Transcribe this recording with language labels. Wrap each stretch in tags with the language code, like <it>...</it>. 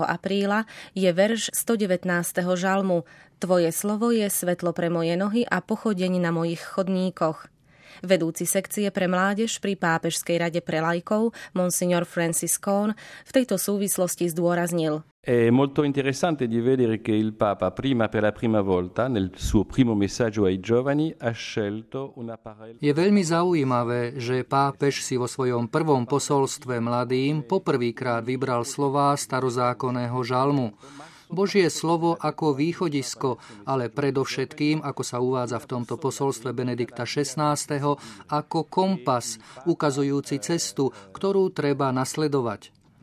<sk>apríla, je verš 119. žalmu Tvoje slovo je svetlo pre moje nohy a pochodeň na mojich chodníkoch. Vedúci sekcie pre mládež pri Pápežskej rade pre laikov, monsignor Francis Cohn, v tejto súvislosti zdôraznil.</sk> <it>È molto interessante di vedere che il Papa prima per la prima volta nel suo primo messaggio ai giovani ha scelto un apparel.</it> <sk>Je veľmi zaujímavé, že pápež si vo svojom prvom posolstve mladým poprvýkrát vybral slová starozákonného žalmu. Božie slovo ako východisko, ale predovšetkým, ako sa uvádza v tomto posolstve Benedikta XVI, ako kompas, ukazujúci cestu, ktorú treba nasledovať.</sk>